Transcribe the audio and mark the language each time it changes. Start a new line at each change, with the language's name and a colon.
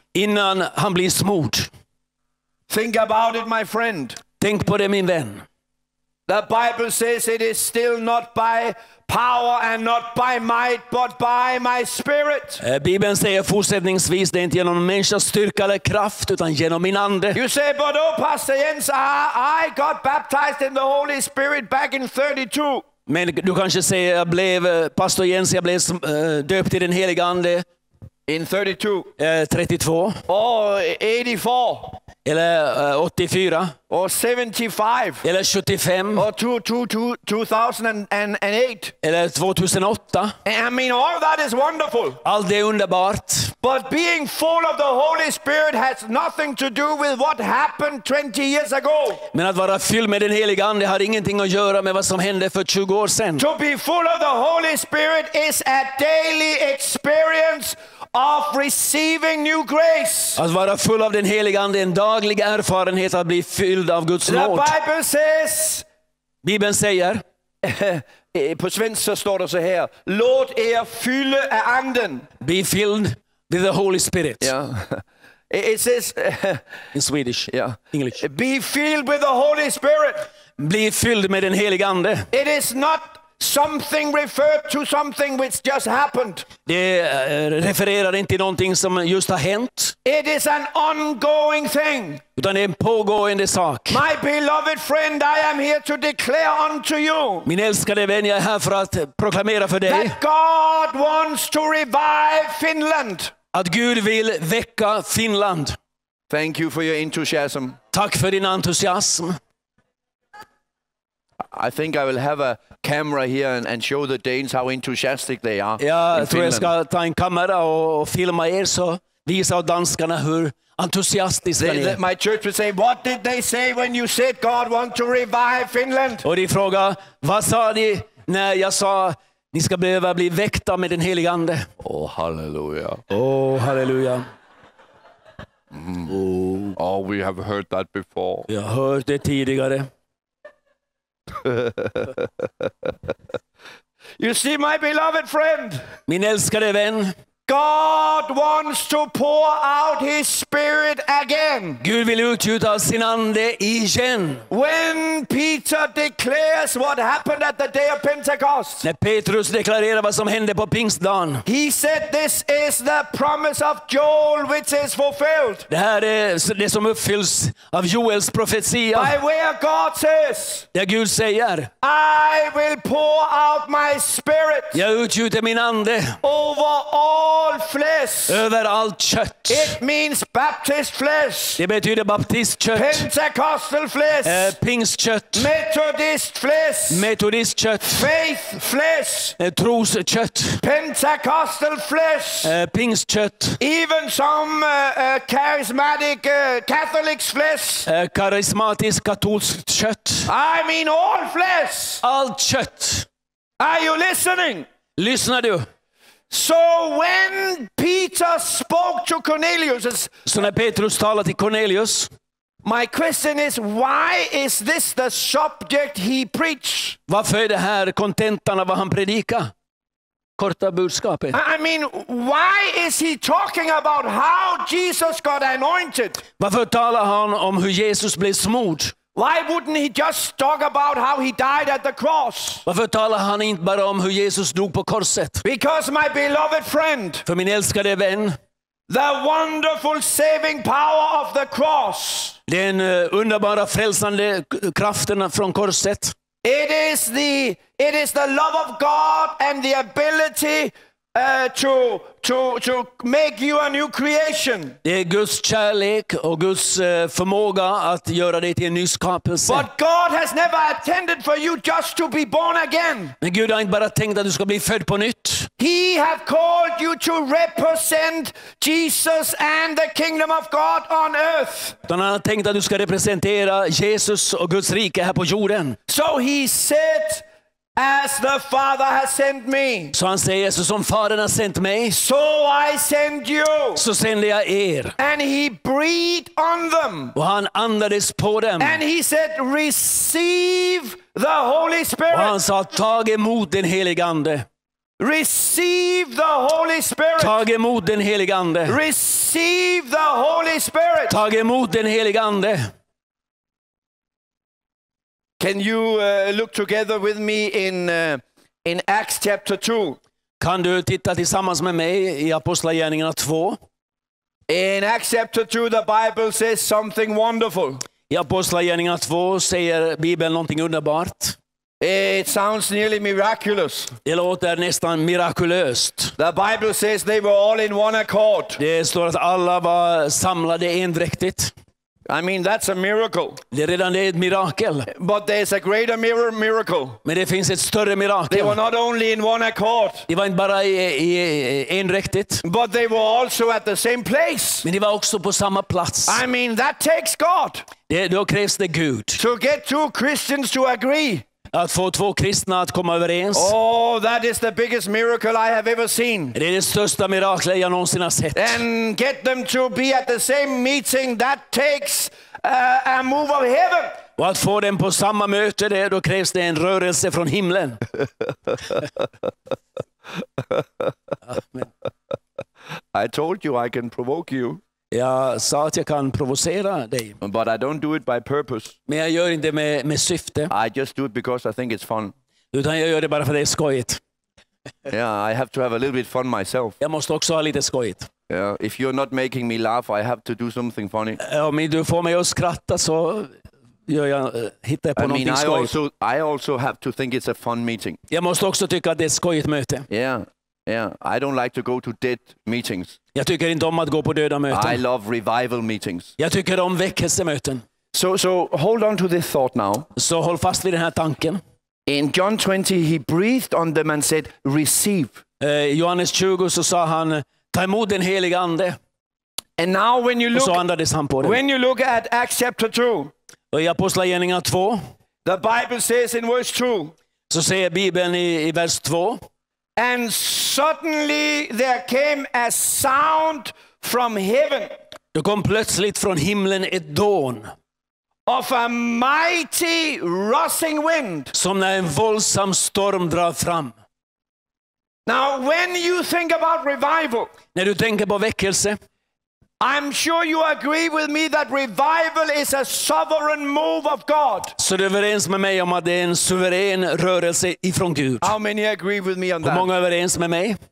Swedish: Innan han blir smort.
English: Think about it, my friend.
Swedish: Tänk på det, min vän.
English: The Bible says it is still not by power and not by might, but by my spirit.
Swedish: Bibeln säger fortsättningsvis, det är inte genom människas styrka eller kraft, utan genom min ande.
English: You say, but oh, Pastor Jens, I got baptized in the Holy Spirit back in 32.
Swedish: Men du kanske säger, jag blev, Pastor Jens, jag blev döpt i den heliga ande.
English: In 32. 32. Or 84.
Swedish: Eller 84.
English: Or 75.
Swedish: Eller 75.
English: Or 2008.
Swedish: Eller 2008.
English: I mean, all that is wonderful.
Swedish: Allt det är underbart.
English: But being full of the Holy Spirit has nothing to do with what happened 20 years ago.
Swedish: Men att vara fylld med den heliga ande har ingenting att göra med vad som hände för 20 år sedan.
English: To be full of the Holy Spirit is a daily experience of receiving new grace.
Swedish: Att vara full av den helige ande är en daglig erfarenhet att bli fylld av Guds nåd.
English: The Bible says.
Swedish: Bibeln säger. På svensk så står det så här. Låt er fylle av anden.
English: Be filled with the Holy Spirit. Yeah. It says. In Swedish. Yeah. English. Be filled with the Holy Spirit.
Swedish: Bli fylld med den helige ande.
English: It is not something referred to something which just happened.
Swedish: Det refererar inte till någonting som just har hänt.
English: It is an ongoing thing.
Swedish: Utan det är en pågående sak.
English: My beloved friend, I am here to declare unto you.
Swedish: Min älskade vän, jag är här för att proklamera för dig.
English: That God wants to revive Finland.
Swedish: Att Gud vill väcka Finland.
English: Thank you for your enthusiasm.
Swedish: Tack för din entusiasm.
English: I think I will have a camera here and show the Danes how enthusiastic they are.
Swedish: Ja, tror jag ska ta en kamera och filma er så visa danskarna hur entusiastiska ni är.
English: My church will say, what did they say when you said God want to revive Finland?
Swedish: Och de frågar, vad sa ni när jag sa ni ska behöva bli väckta med den heliga ande?
English: Oh, halleluja. Oh, halleluja. Mm. Oh. Oh, we have heard that before.
Swedish: Vi har hört det tidigare.
English: You see, my beloved friend.
Swedish: Min älskade vän.
English: God wants to pour out His Spirit again.
Swedish: Gud vill utgjuta sin ande igen.
English: When Peter declares what happened at the day of Pentecost.
Swedish: När Petrus deklarerar vad som hände på pingstdagen.
English: He said, "This is the promise of Joel, which is fulfilled."
Swedish: Det här är det som uppfylls av Joels profetia.
English: By where God says.
Swedish: Där Gud säger.
English: I will pour out my Spirit.
Swedish: Jag utgjuter min ande.
English: Over all. All flesh.
Swedish: Över allt kött.
English: It means Baptist flesh.
Swedish: Det betyder baptist kött.
English: Pentecostal flesh.
Swedish: Pingst kött.
English: Methodist flesh.
Swedish: Methodist kött.
English: Faith flesh.
Swedish: Tros kött.
English: Pentecostal flesh.
Swedish: Pingst kött.
English: Even some charismatic Catholics flesh.
Swedish: Karismatisk katolsk kött.
English: I mean all flesh.
Swedish: Allt kött.
English: Are you listening?
Swedish: Lyssnar du?
English: So when Peter spoke to Cornelius,
Swedish: så när Petrus talade till Cornelius,
English: my question is, why is this the subject he preached?
Swedish: Varför är det här kontentan av vad han predikar? Korta budskapet.
English: I mean, why is he talking about how Jesus got anointed?
Swedish: Varför talar han om hur Jesus blev smord?
English: Why wouldn't he just talk about how he died at the cross?
Swedish: Varför talar han inte bara om hur Jesus dog på korset?
English: Because my beloved friend.
Swedish: För min älskade vän.
English: The wonderful saving power of the cross.
Swedish: Den underbara frälsande kraften från korset.
English: It is the love of God and the ability to make you a new creation.
Swedish: Det är Guds kärlek och Guds förmåga att göra dig till en ny skapelse.
English: But God has never intended for you just to be born again.
Swedish: Men Gud har inte bara tänkt att du ska bli född på nytt.
English: He have called you to represent Jesus and the kingdom of God on earth.
Swedish: Han har tänkt att du ska representera Jesus och Guds rike här på jorden.
English: So he said, as the Father has sent me.
Swedish: Så han säger, så som Fadern har sent mig.
English: So I send you.
Swedish: Så sänder jag er.
English: And he breathed on them.
Swedish: Och han andades på dem.
English: And he said, receive the Holy Spirit.
Swedish: Och han sa, tag emot den helige ande.
English: Receive the Holy Spirit.
Swedish: Tag emot den helige ande.
English: Receive the Holy Spirit.
Swedish: Tag emot den helige ande.
English: Can you look together with me in Acts chapter 2?
Swedish: Kan du titta tillsammans med mig i Apostlagärningarna 2?
English: In Acts chapter 2 the Bible says something wonderful.
Swedish: I Apostlagärningarna 2 säger Bibeln någonting underbart.
English: It sounds nearly miraculous.
Swedish: Det låter nästan mirakulöst.
English: The Bible says they were all in one accord.
Swedish: Det står att alla var samlade endräktigt.
English: I mean, that's a miracle.
Swedish: Det är redan ett mirakel.
English: But there's a greater miracle.
Swedish: Men det finns ett större mirakel.
English: They were not only in one accord.
Swedish: De var inte bara i enräktigt.
English: But they were also at the same place.
Swedish: Men de var också på samma plats.
English: I mean, that takes God.
Swedish: Det, då krävs det Gud.
English: To get two Christians to agree.
Swedish: Att få två kristna att komma överens.
English: Oh, that is the biggest miracle I have ever seen.
Swedish: Det är det största miraklet jag någonsin har sett.
English: And get them to be at the same meeting, that takes a move of heaven.
Swedish: Och att få dem på samma möte, det, då krävs det en rörelse från himlen.
English: I told you I can provoke you.
Swedish: Jag sa att jag kan provocera dig.
English: But I don't do it by purpose.
Swedish: Men jag gör inte med syfte.
English: I just do it because I think it's fun.
Swedish: Utan jag gör det bara för det är skojigt.
English: Yeah, I have to have a little bit fun myself.
Swedish: Jag måste också ha lite skojigt.
English: Yeah, if you're not making me laugh, I have to do something funny.
Swedish: Om du får mig att skratta så gör jag hittar på någonting skojigt.
English: I also have to think it's a fun meeting.
Swedish: Jag måste också tycka att det är skojigt möte.
English: Yeah. Yeah, I don't like to go to dead meetings.
Swedish: Jag tycker inte om att gå på döda möten.
English: I love revival meetings.
Swedish: Jag tycker om väckelsemöten.
English: So hold on to this thought now.
Swedish: Så håll fast vid den här tanken.
English: In John 20 he breathed on them and said, "Receive."
Swedish: Johannes 20 så sa han, "Ta emot den helige ande."
English: And now when you look
Swedish: så andades han på dem.
English: When you look at Acts chapter 2.
Swedish: Och i Apostlagärningarna 2.
English: The Bible says in verse 2.
Swedish: Så säger Bibeln i vers 2.
English: And suddenly there came a sound from heaven.
Swedish: Det kom plötsligt från himlen ett dån.
English: Of a mighty rushing wind.
Swedish: Som när en våldsam storm drar fram.
English: Now when you think about revival.
Swedish: När du tänker på väckelse.
English: I'm sure you agree with me that revival is a sovereign move of God.
Swedish: Så du är överens med mig om att det är en suverän rörelse ifrån Gud.
English: How many agree with me on that?
Swedish: Hur många är överens med mig?